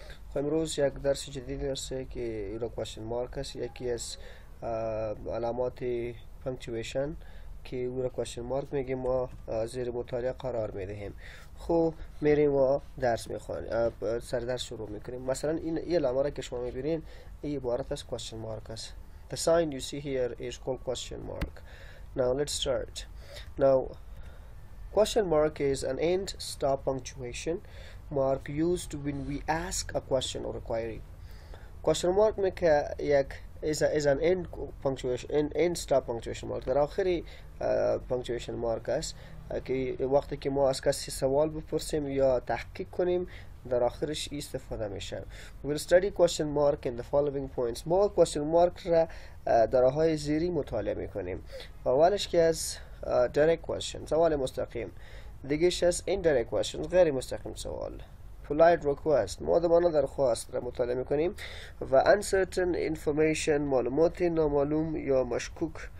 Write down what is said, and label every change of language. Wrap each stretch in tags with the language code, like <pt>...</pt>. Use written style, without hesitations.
<fa>خب امروز یک درس جدید هست که ایلو کوشن مارک است، یکی از علامات پنکچویشن که او را کوشن مارک میگیم ما زیر مطالعه قرار میدهیم. خب میریم و درس میخوانیم، سر درس شروع میکنیم. مثلا این علامه را که شما میبینین این عبارت از کوشن مارک است.</fa> <en>The sign you see here is called question mark. Now let's start. Now, question mark is an end stop punctuation mark used when we ask a question or a query. Question mark is an end punctuation, end stop punctuation mark.</en> <fa>در آخری punctuation mark است که وقتی که ما از کسی سوال بپرسیم یا تحقیق کنیم در آخرش استفاده میشه.</fa> <en>We will study question mark in the following points.</en> <fa>ما question mark را درهای زیری مطالعه میکنیم. اولش که از direct question، سوال مستقیم. دیگهش از indirect question، غیر مستقیم سوال. Polite request، ما دوما درخواست را مطالعه میکنیم. و uncertain information، معلومات نامعلوم یا مشکوک.</fa>